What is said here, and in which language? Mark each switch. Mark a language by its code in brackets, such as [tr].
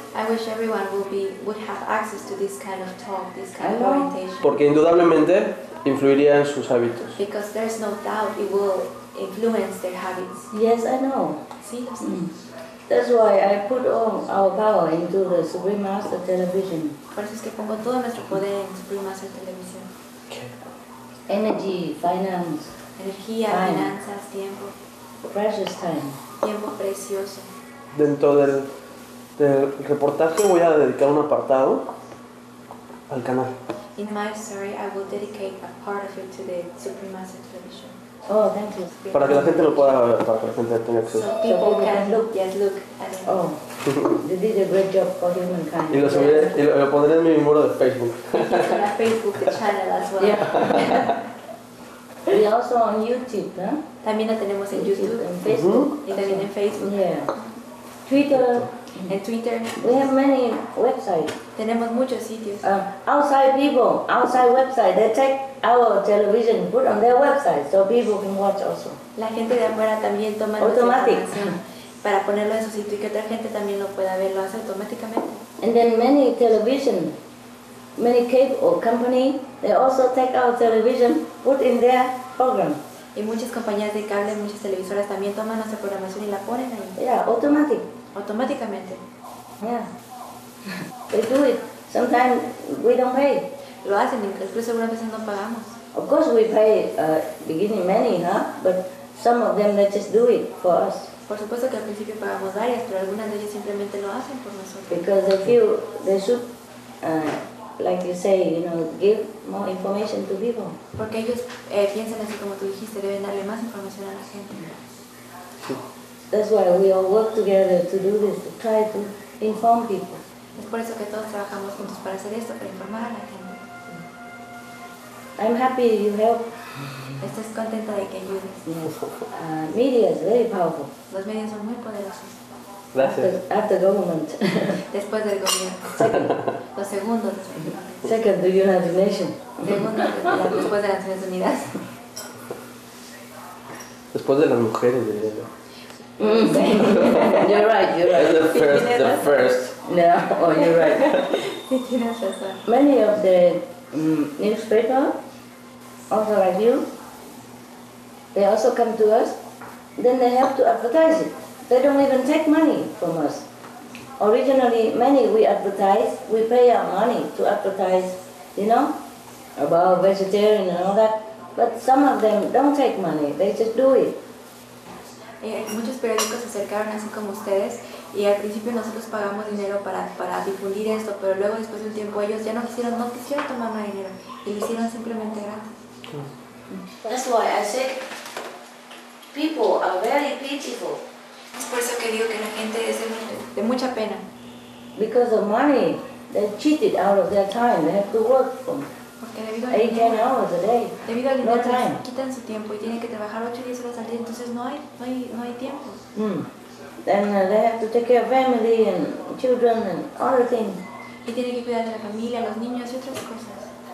[en] I wish everyone would have access to this kind of talk, this kind of orientation. [es] Porque indudablemente influiría en sus hábitos. [en] Because there is no doubt it will influence their habits. Yes, I know. [es] Sí, lo sé. [en] That's why I put all our power into the Supreme Master Television. [es] Por eso es que pongo todo nuestro poder en Supreme Master Television. [en] Okay. Energy, finance. [es] Energía, [en] time. [es] Finanzas, tiempo. [en] Precious time. [es] Tiempo precioso. Dentro del del reportaje voy a dedicar un apartado al canal. [en] In my story, I will dedicate a part of it to the Supremacy Television. Oh, thank you. [es] Para que la gente lo pueda ver, para que la gente tenga acceso. [en] So people can look, yes, look. Oh, they did a great job for humankind. [es] Y lo subiré, y lo pondré en mi muro de Facebook. [en] On a Facebook channel as well. Yeah. We also on YouTube, huh? [es] También lo tenemos en YouTube, en Facebook, y también en Facebook. [en] Yeah. Twitter. [es] En Twitter. [en] We have many websites. [es] Tenemos muchos sitios. [en] Outside people, outside website, they take our television, put on their website, so people can watch also. [es] La gente de afuera también toma [en] automatic [es] para ponerlo en su sitio y que otra gente también lo pueda ver, lo hace automáticamente. [en] And then many television, many cable company, they also take our television, put in their program. [es] Y muchas compañías de cable, muchas televisoras también toman nuestra programación y la ponen ahí. [en] Yeah, automatic. [es] Automáticamente. [en] Yeah. They do it. Sometimes we don't pay. [es] Lo hacen, incluso algunas veces no pagamos. [en] Of course we pay beginning many, huh? But some of them they just do it for us. [es] Por supuesto que al principio pagamos varias, pero algunas de ellas simplemente lo hacen por nosotros. [en] Because they feel they should, like you say, you know, give more information to people. [es] Porque ellos piensan así como tú dijiste, deben darle más información a la gente. [en] That's why we all work together to do this, to try to inform people. [es] Es por eso que todos trabajamos juntos para hacer esto, para informar a la gente. [en] I'm happy you help. [es] Estás contenta de que ayudes. [en] Yes. Media is very powerful. [es] Los medios son muy poderosos. Gracias. [en] After government. [es] Después del gobierno. [en] Second. [es] Los segundos. [en] Second, the United Nations. [es] Segundo, después de las Naciones Unidas. Después de las mujeres, diría yo. [en] Mm. You're right. The first. Yeah. Oh, you're right. Many of the newspaper, also like you, they also come to us. Then they have to advertise it. They don't even take money from us. Originally, many we advertise. We pay our money to advertise, you know, about vegetarian and all that. But some of them don't take money. They just do it. [es] Muchos periódicos se acercaron así como ustedes y al principio nosotros pagamos dinero para difundir esto, pero luego después de un tiempo ellos ya no quisieron tomar más dinero y lo hicieron simplemente gratis. [en] That's why I said people are very pitiful. [es] Es por eso que digo que la gente es de mucha pena. [en] Because of money, they cheated out of their time. They have to work from 8-10 hours a day. [es] Debido al [en] no time. [es] Quitan su tiempo y tienen que trabajar 8-10 horas al día, entonces no hay tiempo. Mm. [en] Then they have to take care of family and children and other things. [es] Y tienen que cuidar de la familia, los niños y otras cosas.